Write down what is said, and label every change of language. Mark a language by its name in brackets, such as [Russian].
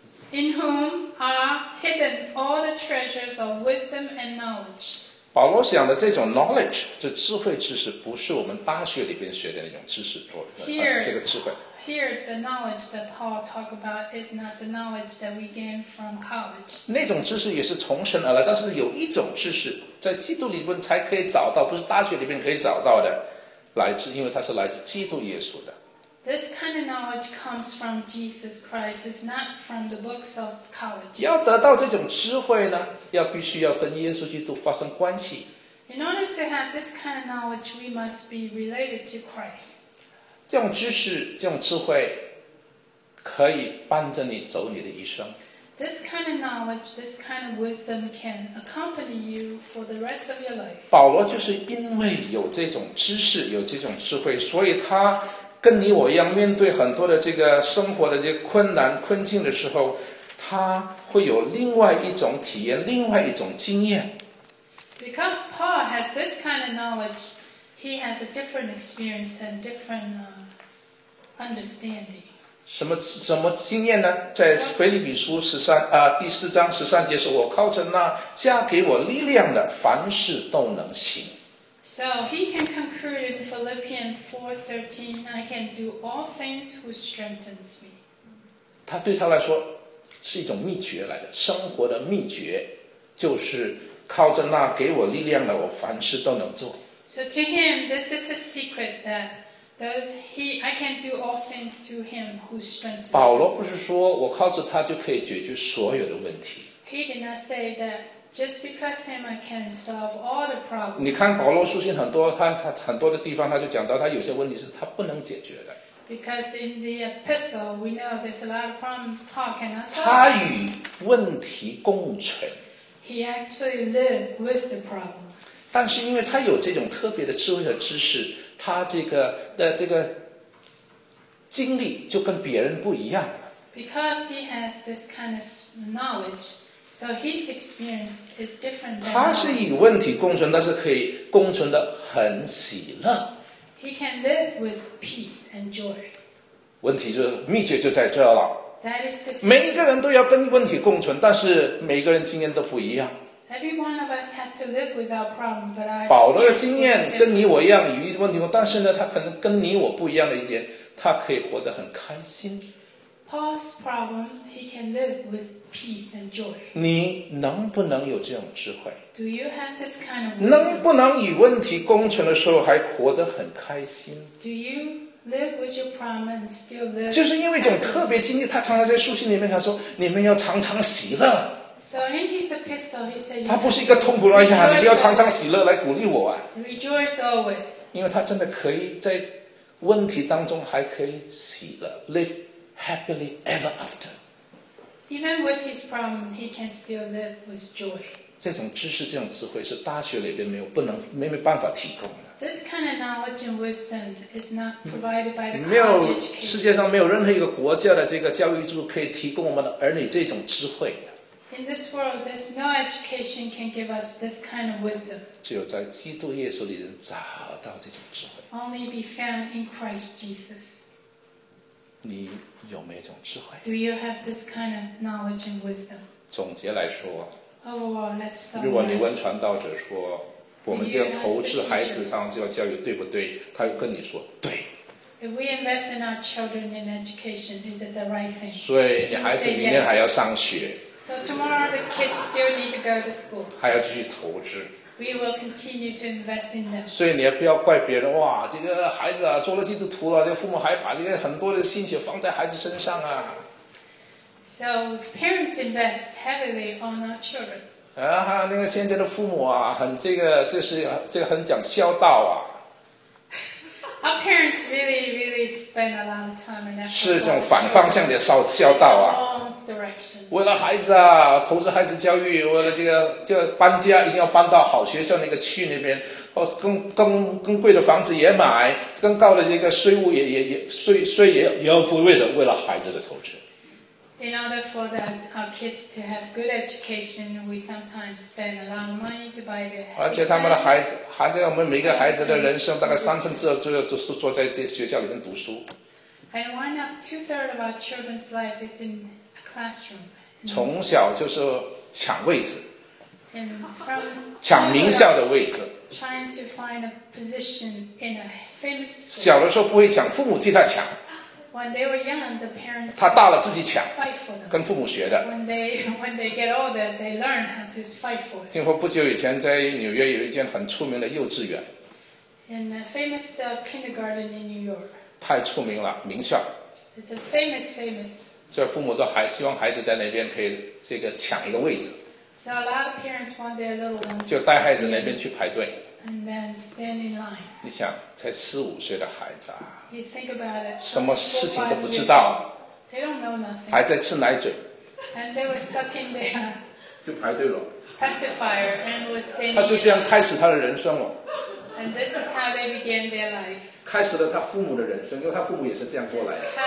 [English] In whom are hidden all the treasures of wisdom and knowledge. [Chinese] 保罗想的这种 knowledge, 这智慧知识不是我们大学里边学的那种知识多的 这个智慧。 [English] Here, the knowledge that Paul talked about is not the knowledge that we gain from college. [Chinese] 那种知识也是从神而来，但是有一种知识在基督里边才可以找到，不是大学里边可以找到的，来自，因为它是来自基督耶稣的。 [English] This kind of knowledge comes from Jesus Christ. It's not from the books of colleges. [Chinese] 要得到这种智慧呢，要必须要跟耶稣基督发生关系。 [English] In order to have this kind of knowledge, we must be related to Christ. [Chinese] 这种知识，这种智慧，可以伴着你走你的一生。 [English] This kind of knowledge, this kind of wisdom can accompany you for the rest of your life. [Chinese] 保罗就是因为有这种知识，有这种智慧，所以他跟你我一样，面对很多的这个生活的这些困难困境的时候，他会有另外一种体验，另外一种经验。 [English] Because Paul has this kind of knowledge, he has a different experience and different understanding. [Chinese] 什么经验呢？在腓立比书第四章十三节说，我靠着那加给我力量的，凡事都能行。 [English] So he can conclude in Philippians 4:13, I can do all things who strengthens me. [Chinese] 他对他来说是一种秘诀来的，生活的秘诀就是靠着那给我力量的，我凡事都能做。 [English] So to him, this is a secret that I can do all things through him who strengthens me. [Chinese] 保罗不是说我靠着他就可以解决所有的问题。 [English] He did not say that. Just because him, I can solve all the problems. [Chinese] 你看保罗书信很多，他很多的地方他就讲到，他有些问题是他不能解决的。 [English] Because in the epistle, we know there's a lot of problems Paul cannot solve. [Chinese] 他与问题共存。 [English] He actually lived with the problem. [Chinese] 但是因为他有这种特别的智慧和知识，他这个经历就跟别人不一样。 [English] Because he has this kind of knowledge. So his experience is different than [Chinese] 他是与问题共存，但是可以共存的很喜乐。 [English] He can live with peace and joy. [Chinese] 问题就秘诀就在这了。 [English] That is the [Chinese] 每一个人都要跟问题共存，但是每一个人经验都不一样。 [English] Every one of us had to live with our problem, but our [Chinese] 保罗的经验跟你我一样与问题共存，但是呢，他可能跟你我不一样的一点，他可以活得很开心。 [English] Paul's problem, he can live with peace and joy. [Chinese] 你能不能有这种智慧？ [English] Do you have this kind of wisdom? [Chinese] 能不能与问题共存的时候还活得很开心？ [English] Do you live with your problem and still live? [Chinese] 就是因为一种特别经历，他常常在书信里面他说，你们要常常喜乐。 [English] So in his epistle, he said, [Chinese] 他不是一个痛苦的，哎呀，你不要常常喜乐来鼓励我啊。 [English] Rejoice always. [Chinese] 因为他真的可以在问题当中还可以喜乐 live. [English] Happily ever after. Even with his problem, he can still live with joy. [Chinese] 这种知识、这种智慧是大学里边没有、不能、没办法提供的。 [English] This kind of knowledge and wisdom is not provided by the college education. [Chinese] 世界上没有任何一个国家的这个教育制度可以提供我们的儿女这种智慧。 [English] In this world, there's no education can give us this kind of wisdom. [Chinese] 只有在基督耶稣里人找到这种智慧。 [English] Only be found in Christ Jesus. [Chinese] 你有没有这种智慧？ [English] Do you have this kind of knowledge and wisdom? [Chinese] 总结来说。 Oh, 如果你问传道者说我们要投资孩子上这个教育对不对，他又跟你说对。 [English] If we invest in our children in education, is it the right thing? [Chinese] 所以你孩子明天还要上学。 [English] So tomorrow the kids still need to go to school. [Chinese] 还要继续投资。 [English] We will continue to invest in them. [Chinese] 所以你也不要怪别人，哇，这个孩子啊，做了基督徒了，这个父母还把这个很多的心血放在孩子身上啊。 [English] So parents invest heavily on our children. [Chinese] 啊，那个现在的父母啊，很这个，这是这个很讲孝道啊。 [English] Our parents really spend a lot of time and effort. [Chinese] 是这种反方向的孝道啊。为了孩子啊，投资孩子教育，为了这个搬家，一定要搬到好学校那个去那边。哦，更贵的房子也买，更高的这个税务也要付，为什么？为了孩子的投资。 [English] In order for that our kids to have good education, we sometimes spend a lot of money to buy their. [Chinese] 而且他们的孩子，还是我们每个孩子的人生大概三分之二就是坐在这学校里面读书。 [English] And why not two-thirds of our children's life is in a classroom? [Chinese] 从小就是抢位置。 [English] And from [Chinese] 抢名校的位置。 [English] Trying to find a position in a famous school. [Chinese] 小的时候不会抢，父母替他抢。 [English] When they were young, the parents [Chinese] 他大了自己抢，跟父母学的。 [English] When they get older, they learn how to fight for it. [Chinese] 听说不久以前，在纽约有一间很出名的幼稚园。 [English] In a famous kindergarten in New York. [Chinese] 太出名了，名校。 [English] It's a famous. [Chinese] 所以父母都还希望孩子在那边可以这个抢一个位置。 [English] So a lot of parents want their little ones. [Chinese] 就带孩子那边去排队。 [English] And then stand in line. [Chinese] 你想，才四五岁的孩子啊。 [English] You think about it. [Chinese] 什么事情都不知道， [English] they don't know nothing. [Chinese] 还在吃奶嘴。 [English] And they were stuck in there. [Chinese] 就排队了。 [English] Pacifier and was standing. [Chinese] 他就这样开始他的人生了。 [English] And this is how they began their life. [Chinese] 开始了他父母的人生，因为他父母也是这样过来的。